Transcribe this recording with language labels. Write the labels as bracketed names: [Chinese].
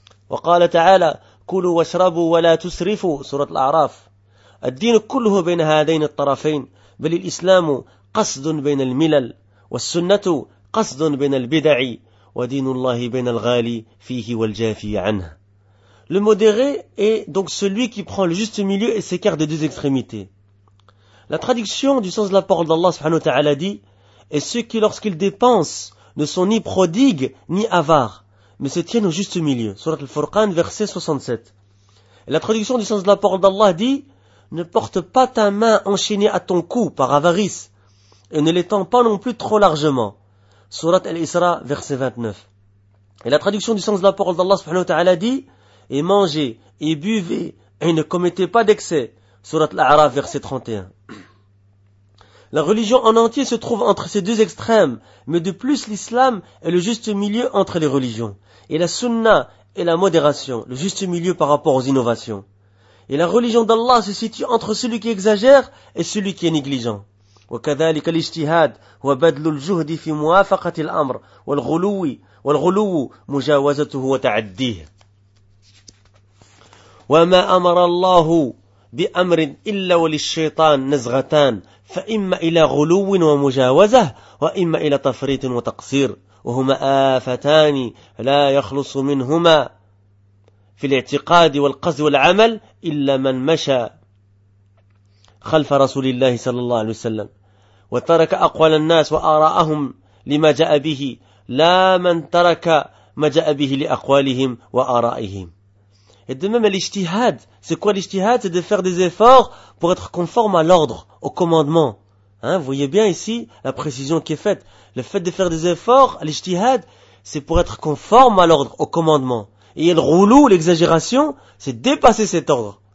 [Arabic] وقال تعالى كلوا واشربوا ولا تسرفوا سورة الأعراف. الدين كله بين هذين الطرفين، بل الإسلام قصد بين الملل، والسنة قصد بين البدع، ودين الله بين الغالي فيه والجافي عنه. [French] Le modéré est donc celui qui prend le juste milieu et s'écarte des deux extrémités. La traduction du sens de la parole d'Allah subhanahu wa ta'ala dit « Et ceux qui, lorsqu'ils dépensent, ne sont ni prodigues ni avares, mais se tiennent au juste milieu. » Surat al-Furqan, verset 67. Et la traduction du sens de la parole d'Allah dit « Ne porte pas ta main enchaînée à ton cou par avarice et ne l'étends pas non plus trop largement. » Surat al-Isra, verset 29. Et la traduction du sens de la parole d'Allah subhanahu wa ta'ala dit et mangez, et buvez, et ne commettez pas d'excès. Surat al-A'raf, verset 31. La religion en entier se trouve entre ces deux extrêmes, mais de plus l'islam est le juste milieu entre les religions. Et la sunna est la modération, le juste milieu par rapport aux innovations. Et la religion d'Allah se situe entre celui qui exagère et celui qui est négligent. [Arabic] وكذلك الاجتهاد هو بدل الجهد في موافقة الأمر والغلو مجاوزته وتعديه. وما أمر الله بأمر إلا وللشيطان نزغتان فإما إلى غلو ومجاوزة وإما إلى تفريط وتقصير وهما آفتان لا يخلص منهما في الاعتقاد والقصد والعمل إلا من مشى خلف رسول الله صلى الله عليه وسلم وترك أقوال الناس وآراءهم لما جاء به لا من ترك ما جاء به لأقوالهم وآرائهم. [French] Et de même, l'ijtihad, c'est quoi l'ijtihad? C'est de faire des efforts pour être conforme à l'ordre, au commandement. Hein, vous voyez bien ici la précision qui est faite. Le fait de faire des efforts, l'ijtihad, c'est pour être conforme à l'ordre, au commandement. Et le roulou, l'exagération, c'est dépasser cet ordre.